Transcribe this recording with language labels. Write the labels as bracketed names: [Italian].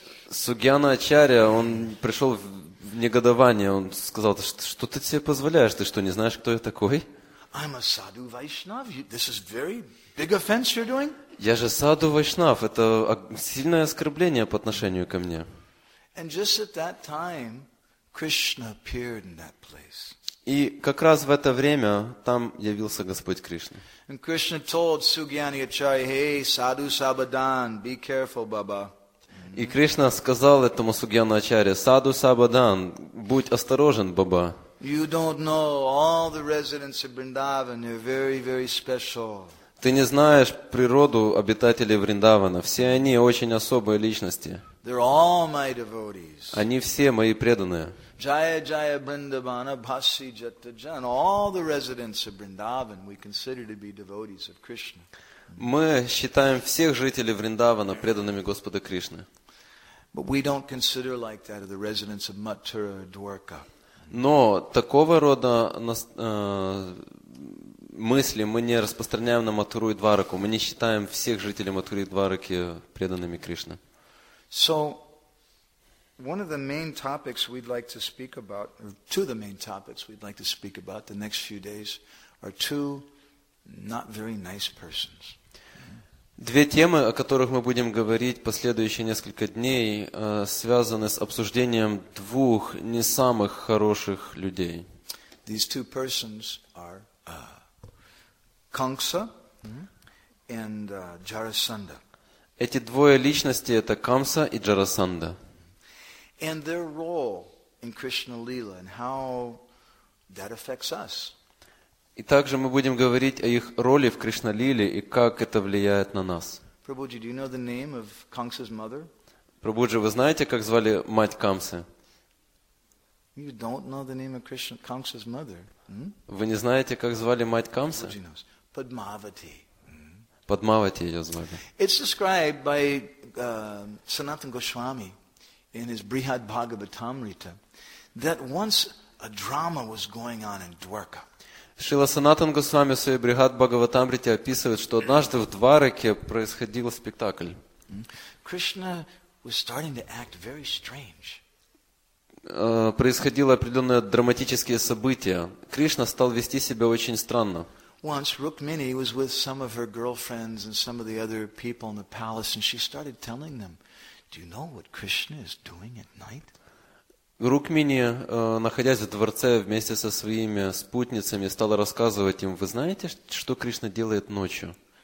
[Russian] Сугьяни Ачарья, он пришел в негодование, он сказал: что ты себе позволяешь, ты что, не знаешь, кто я такой? [English] I'm a sadhu Vaishnav. This is very big offense you're doing. [Russian] Я же саду Вайшнав, это сильное оскорбление по отношению ко мне. [English] And just at that time, Krishna appeared in that place. [Russian] И как раз в это время там явился Господь Кришна. [English] And Krishna told Sugyani Acharya, hey, sadhu Sabadan, be careful, Baba. [Russian] И Кришна сказал этому Сугьяни Ачарье: «Саду Сабадан, будь осторожен, Баба». [English] You don't know all the residents of Vrindavan, they're very, very special. [Russian] Ты не знаешь природу обитателей Вриндавана. Все они очень особые личности. [English] They're all my devotees. [Russian] Они все мои преданные. [Bangla] Jaya Jaya Vrindavana Bhasi Jata Jan. [English] All the residents of Vrindavan we consider to be devotees of Krishna. [Russian] Мы считаем всех жителей Вриндавана преданными Господа Кришны. [English] But we don't consider like that of the residents of Mathura or Dwarka. [Russian] Но такого рода мысли мы не распространяем на Матхуру и Двараку. Мы не считаем всех жителей Матхуры и Двараки преданными Кришне. [English] So, one of the main topics we'd like to speak about, or two of the main topics we'd like to speak about the next few days are two not very nice persons. [Russian] Две темы, о которых мы будем говорить последующие несколько дней, связаны с обсуждением двух не самых хороших людей. [English] These two persons are Kamsa and Jarasandha. [Russian] Эти двое личности – это Камса и Джарасанда. [English] And their role in Krishna Lila and how that affects us. [Russian] И также мы будем говорить о их роли в Кришналиле и как это влияет на нас. [English] Prabhuji, do you know the name of Kamsa's mother? [Russian] Prabhuji, вы знаете, как звали мать Камсы? [English] You don't know the name of Krishna, Kamsa's mother. [Russian] Вы не знаете, как звали мать Камсы? [English] Prabhuji knows. Padmavati. [Russian] Padmavati ее звали. [English] It's described by Sanatana Goswami in his Brihad Bhagavatamrita that once a drama was going on in Dwarka. [Russian] Шрила Санатан Госвами в своей Брихад Бхагаватамрите описывает, что однажды в Двараке происходил спектакль. [English] Krishna was starting to act very strange. [Russian] Происходило определенные драматические события. Кришна стал вести себя очень странно. [English] Once Rukmini was with some of her girlfriends and some of the other people in the palace, and she started telling them, "Do you know what Krishna is doing at night?" [Russian] Рукмини, находясь в дворце вместе со своими спутницами, стала рассказывать им, вы знаете, что Кришна делает ночью?